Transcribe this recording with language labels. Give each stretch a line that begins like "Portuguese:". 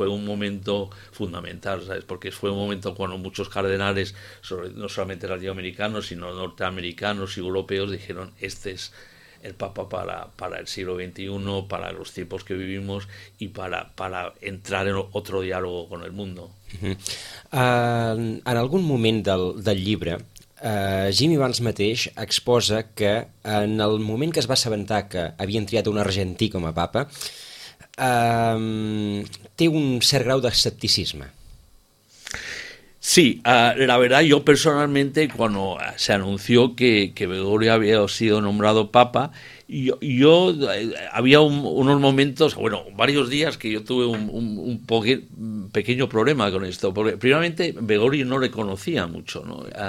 Spanish: Fue un momento fundamental, ¿sabes? Porque fue un momento cuando muchos cardenales, no solamente latinoamericanos, sino norteamericanos y europeos, dijeron, este es el Papa para el siglo XXI, para los tiempos que vivimos y para entrar en otro diálogo con el mundo.
Catalan: En algun moment del llibre, Jimmy Vance mateix exposa que en el moment que es va assabentar que havien triat un argentí com a papa, té un cert grau d'escepticisme.
Spanish: Sí, la verdad, yo personalmente, cuando se anunció que Bergoglio había sido nombrado papa, yo había unos momentos, bueno, varios días que yo tuve un pequeño problema con esto, porque primeramente Bergoglio no le conocía mucho, ¿no?